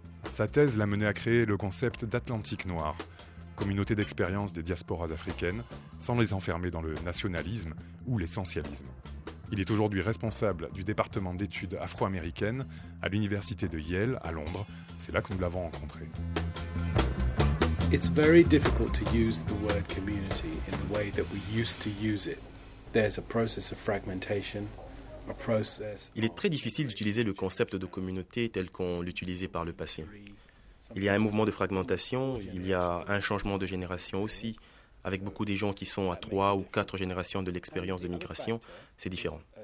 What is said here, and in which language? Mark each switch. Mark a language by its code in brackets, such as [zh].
[fr] Sa thèse l'a mené à créer le concept d'Atlantique noire, communauté d'expérience des diasporas africaines, sans les enfermer dans le nationalisme ou l'essentialisme. Il est aujourd'hui responsable du département d'études afro-américaines à l'université de Yale, à Londres. C'est là que nous l'avons rencontré. [en] It's very difficult to use the word community in the way that we used to use it. There's a process of fragmentation, a process. [fr] Il est très difficile d'utiliser le concept de communauté tel qu'on l'utilisait par le passé. Il y a un mouvement de fragmentation, il y a un changement de génération aussi, avec beaucoup des gens qui sont à 3 ou 4 générations de l'expérience de migration, c'est différent.